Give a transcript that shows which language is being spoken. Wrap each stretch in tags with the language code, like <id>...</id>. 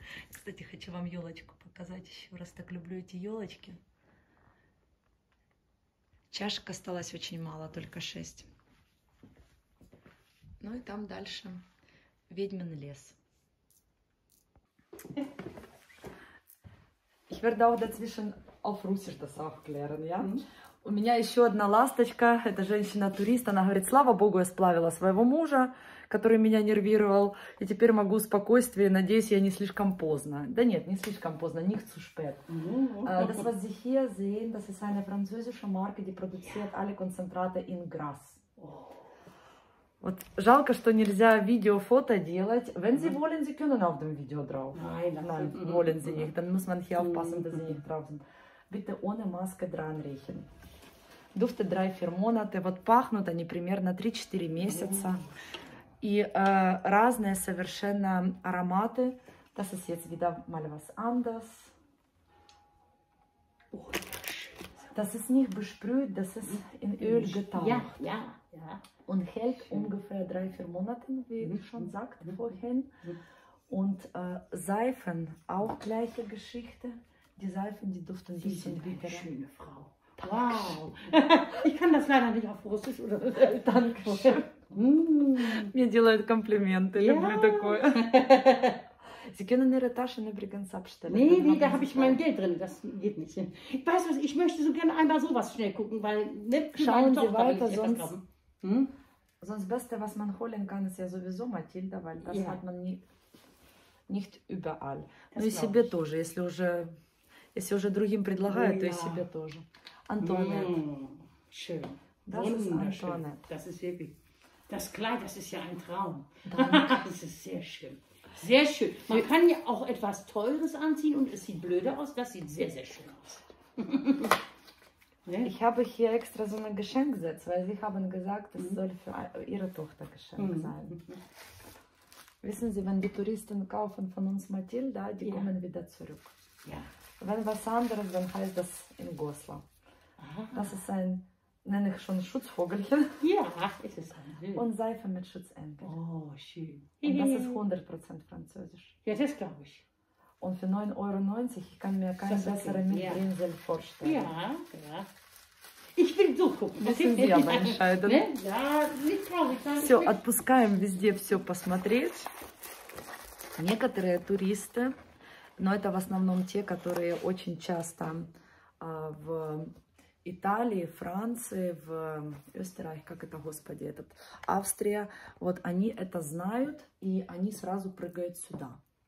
<ru>Кстати, хочу вам елочку показать еще раз. Так люблю эти елочки. Чашек осталось очень мало, только 6. Ну и там дальше ведьмин лес.</ru> <de>Ich werde auch dazwischen auf Russisch das aufklären, ja?</de> <ru>У меня еще одна ласточка, это женщина-турист, она говорит, слава богу, я сплавила своего мужа, который меня нервировал, и теперь могу в спокойствии, надеюсь, я не слишком поздно. Да нет, не слишком поздно,</ru> <de>nicht zu spät. Das, was Sie hier sehen, das ist eine französische Marke, die produziert alle Konzentrate in Grasse.</de> <ru>Вот жалко, что нельзя видео-фото делать.</ru> <de>Wenn Sie wollen, Sie können auf dem Video drauf. Nein, wollen Sie nicht, dann muss man hier aufpassen, dass Sie nicht drauf sind. Bitte ohne Maske dran riechen. Duftet drei, vier Monate.</de> <ru>Вот пахнут они примерно 3-4 месяца. И разные совершенно ароматы.</ru> <de>Das ist jetzt wieder mal was anders. Das ist nicht besprüht, das ist in Öl getaucht. Ja, ja. Und hält ungefähr 3-4 Monate, wie ich schon sagte vorhin. Und Seifen, auch gleiche Geschichte. Die Seifen, die duften ein bisschen wie eine schöne Frau. Wow. Ich kann das leider nicht auf Russisch oder danke. Mir</de> <ru>делают комплименты, люблю такое.</ru> <de>Sie können Ihre Taschen übrigens abstellen. Nee, da habe ich mein Geld drin, das geht nicht hin. Ich weiß was, ich möchte so gerne einmal sowas schnell gucken, weil schauen Sie weiter sonst. Sonst beste was man holen kann ist ja sowieso Matilda, weil das hat man nicht überall.</de> <ru>Ну и себе тоже, если уже другим предлагают, то и себе тоже.</ru> <de>Antoinette. Schön. Das ist Antoinette. Das ist wirklich. Das Kleid, das ist ja ein Traum. Danke. Das ist sehr schön. Sehr schön. Man kann ja auch etwas Teures anziehen und es sieht blöder aus. Das sieht sehr, sehr schön aus. Ich habe hier extra so ein Geschenk gesetzt, weil Sie haben gesagt, es soll für Ihre Tochter Geschenk sein. Wissen Sie, wenn die Touristen kaufen von uns Mathilda, die kommen wieder zurück.</de> <en>Yeah.</en> <de>Wenn was anderes, dann heißt das in Goslar. Aha. Das ist ein, nenne ich schon Schutzvogelchen. Ja, ist es ein Süd. Und Seife mit Schutzengel. Oh, schön. Und das ist 100% Französisch. Ja, das glaube ich. Und für 9,90 € ich kann mir keine bessere Mitbringsel vorstellen. Ja, ja. Ich will suchen. Das sind Sie aber entscheiden. Ja, nicht traurig.</de> <ru>Все, отпускаем везде все посмотреть. Некоторые туристы, но это в основном те, которые очень часто в Италии, Франции, в Österreich, как это, господи, этот, Австрия, вот они это знают, и они сразу прыгают сюда.</ru>